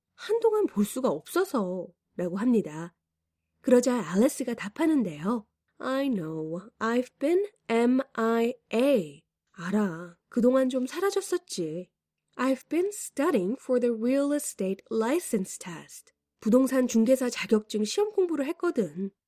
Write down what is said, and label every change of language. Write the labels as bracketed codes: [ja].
[ko] 한동안 볼 수가 없어서 라고 합니다. 그러자 Alice가 답하는데요. [en] I know, I've been MIA. [ko] 알아, 그동안 좀 사라졌었지. [en] I've been studying for the real estate license test. [ko] 부동산 중개사 자격증 시험 공부를 했거든.